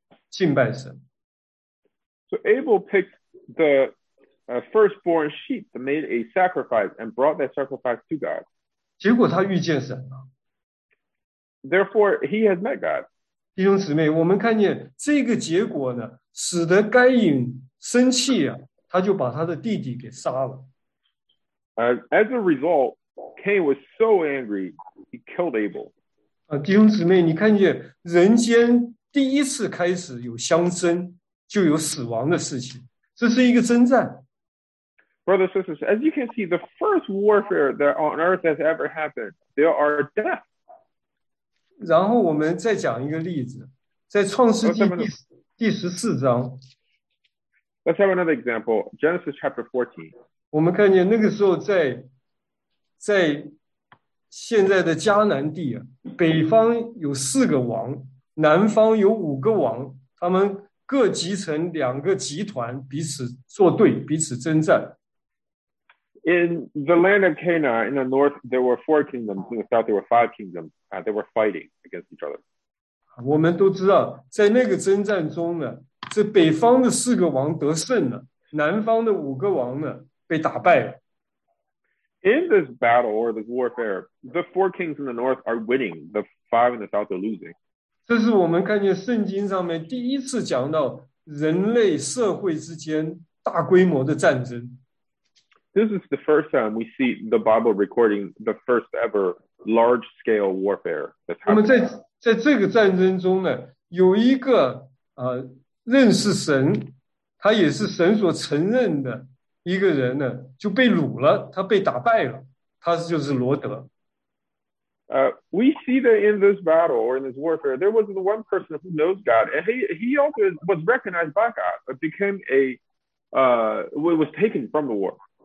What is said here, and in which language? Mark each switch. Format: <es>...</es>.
<zh>是牧羊的，他就取了他羊群中头生的一个羊羔，把它献为祭，去到神面前去敬拜神。So</zh> <en>Abel picked the firstborn sheep, made a sacrifice, and brought that sacrifice to God.</en> <zh>结果他遇见神了。Therefore,</zh> <en>he has met God.</en> <zh>弟兄姊妹，我们看见这个结果呢。使得该隐生气啊，他就把他的弟弟给杀了。As</zh> <en>a result, Cain was so angry, he killed Abel.</en> <zh>弟兄姊妹，你看见人间第一次开始有相争，就有死亡的事情，这是一个征战。</zh> <en>Brothers and sisters, as you can see, the first warfare that on earth has ever happened, there are death.</en> <zh>然后我们再讲一个例子，在创世纪第十四章。</zh> <en>Let's have another example, Genesis chapter 14.</en> <zh>我们看见那个时候在现在的迦南地，北方有四个王，南方有五个王，他们各集成两个集团，彼此作对，彼此征战。</zh> <en>In the land of Canaan, in the north, there were four kingdoms. In the south, there were five kingdoms. They were fighting against each other.</en> <zh>我们都知道，在那个征战中呢，这北方的四个王得胜了，南方的五个王呢被打败了。</zh> <en>In this battle or this warfare, the four kings in the north are winning. The five in the south are losing.</en> <zh>这是我们看见圣经上面第一次讲到人类社会之间大规模的战争。</zh> <en>This is the first time we see the Bible recording the first ever large-scale warfare that's happening.</en> <zh>那么在这个战争中呢，有一个认识神，他也是神所承认的一个人呢，就被掳了，他被打败了，他就是罗德。</zh> <en>We see that in this battle or in this warfare, there was the one person who knows God, and he also was recognized by God, but became was taken from the war.</en>